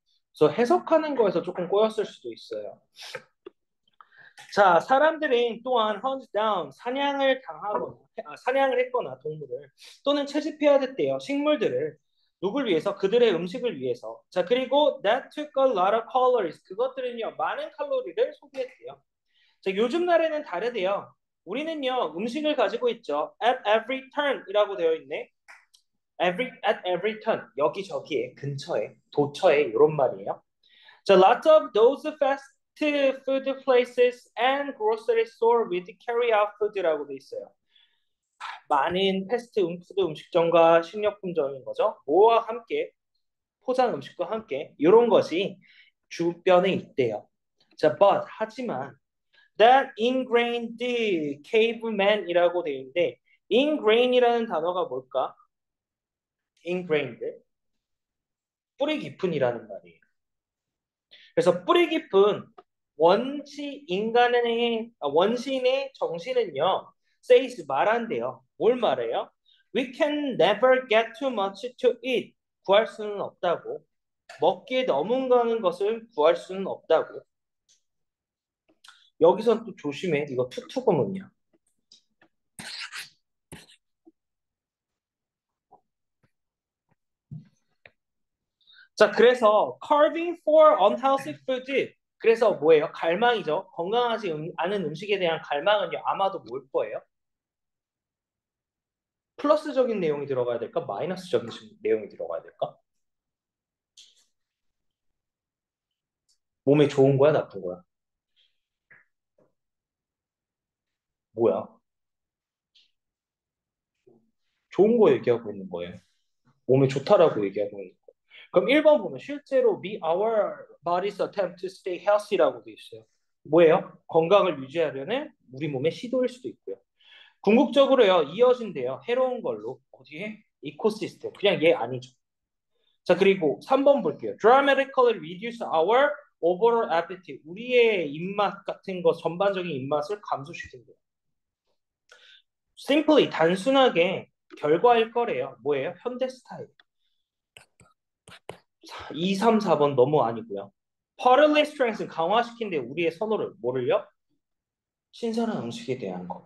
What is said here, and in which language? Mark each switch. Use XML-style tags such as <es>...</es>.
<ko>그래서 해석하는 거에서 조금 꼬였을 수도 있어요. 자, 사람들은 또한</ko> <en>hunt down,</en> <ko>사냥을 당하거나, 사냥을 했거나 동물을 또는 채집해야 했대요. 식물들을 누굴 위해서? 그들의 음식을 위해서.</ko> <en>자, 그리고 that took a lot of calories.</en> <ko>그것들은요, 많은 칼로리를 소비했대요. 자, 요즘 날에는 다르대요. 우리는요, 음식을 가지고 있죠.</ko> <en>At every turn</en> <ko>이라고 되어 있네.</ko> <en>At every turn,</en> <ko>여기저기에, 근처에, 도처에 이런 말이에요.</ko> <en>자, lots of those fast to food places and grocery store with carry out food</en> <ko>라고 돼 있어요. 많은 패스트 푸드 음식점과 식료품점인 거죠. 뭐와 함께 포장 음식과 함께 이런 것이 주변에 있대요. 자, but 하지만</ko> <en>that ingrained caveman</en> <ko>이라고 돼 있는데 ingrain이라는 단어가 뭘까? ingrained 뿌리 깊은이라는 말이에요. 그래서 뿌리 깊은 원시인의 정신은요, says 말한대요. 뭘 말해요?</ko> <en>We can never get too much to eat.</en> <ko>구할 수는 없다고. 먹기에 너무나는 것을 구할 수는 없다고. 여기서 또 조심해. 이거 투투금은요. 자, 그래서</ko> <en>carving for unhealthy food.</en> <ko>그래서 뭐예요? 갈망이죠. 건강하지 않은 음식에 대한 갈망은요, 아마도 뭘 거예요? 플러스적인 내용이 들어가야 될까? 마이너스적인 내용이 들어가야 될까? 몸에 좋은 거야, 나쁜 거야? 뭐야? 좋은 거 얘기하고 있는 거예요. 몸에 좋다라고 얘기하고 있는 거예요. 그럼 1번 보면 실제로</ko> <en>be our bodies attempt to stay healthy</en> <ko>라고 돼 있어요. 뭐예요? 건강을 유지하려는 우리 몸의 시도일 수도 있고요. 궁극적으로요, 이어진대요. 해로운 걸로. 어디에? 이코시스템. 그냥 얘 아니죠. 자, 그리고 3번 볼게요.</ko> <en>Dramatically reduce our overall appetite.</en> <ko>우리의 입맛 같은 거, 전반적인 입맛을 감소시킨대요. Simply, 단순하게 결과일 거래요. 뭐예요? 현대 스타일. 2, 3, 4번 너무 아니고요.</ko> <en>Partly strengthen</en> <ko>강화시킨대 우리의 선호를 뭐를요? 신선한 음식에 대한 거.</ko>